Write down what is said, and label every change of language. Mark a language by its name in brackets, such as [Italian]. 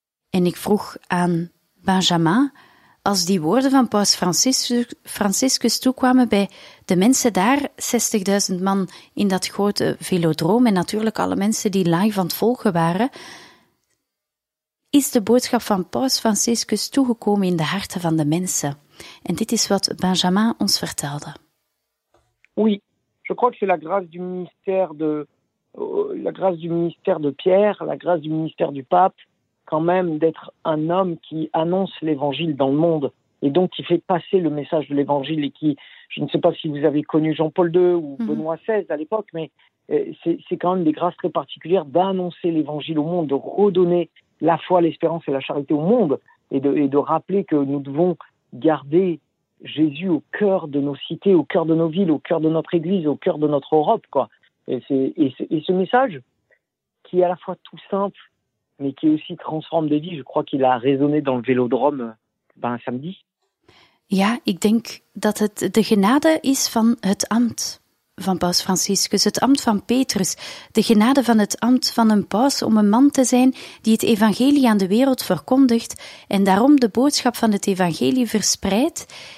[Dutch] En ik vroeg aan Benjamin, als die woorden van Paus Franciscus toekwamen bij de mensen daar, 60.000 man in dat grote velodroom en natuurlijk alle mensen die live aan het volgen waren, is de boodschap van Paus Franciscus toegekomen in de harten van de mensen? En dit is wat Benjamin ons vertelde. [French] Oui, je crois que c'est la grâce du ministère de Pierre, la grâce du ministère du pape, quand même d'être un homme qui annonce l'évangile dans le monde et donc qui fait passer le message de l'évangile et qui, je ne sais pas si vous avez connu Jean-Paul II ou Benoît XVI à l'époque, mais c'est quand même des grâces très particulières d'annoncer l'évangile au monde, de redonner la foi, l'espérance et la charité au monde et de rappeler que nous devons garder Jésus au cœur de nos cités, au cœur de nos villes, au cœur de notre Église, au cœur de notre Europe, quoi. Et ce message, qui est à la fois tout simple, mais qui aussi transforme des vies, je crois qu'il a résonné dans le vélodrome samedi. [Dutch] Ja, ik denk dat het de genade is van het ambt van Paus Franciscus, het ambt van Petrus, de genade van het ambt van een paus om een man te zijn die het evangelie aan de wereld verkondigt en daarom de boodschap van het evangelie verspreidt.